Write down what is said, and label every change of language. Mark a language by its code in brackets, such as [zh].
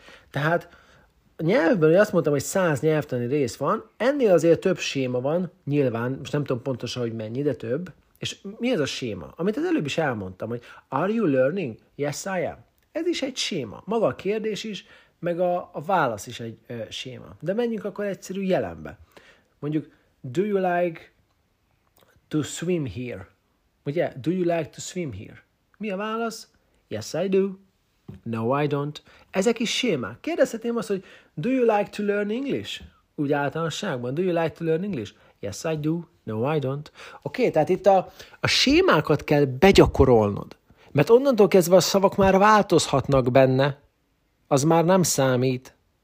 [hu] Tehát nyelvben, hogy azt mondtam, hogy 100 nyelvtani rész van, ennél azért több séma van, nyilván, most nem tudom pontosan, hogy mennyi, de több. És mi ez a séma? Amit az előbb is elmondtam, hogy [en] are you learning? Yes, I am. [hu] Ez is egy séma. Maga a kérdés is, meg a válasz is egy séma. De menjünk akkor egyszerű jelenbe. [en] Mondjuk, do you like to swim here? Ugye, do you like to swim here? [hu] Mi a válasz? [en] Yes, I do. No, I don't. [hu] Ezek is sémák. Kérdezhetném azt, hogy [en] do you like to learn English? [hu] Úgy általánosságban, do you like to learn English? [en] Yes, I do. No, I don't. [hu] Oké, tehát itt a sémákat kell begyakorolnod. Mert onnantól kezdve a szavak már változhatnak benne. Az már nem számít.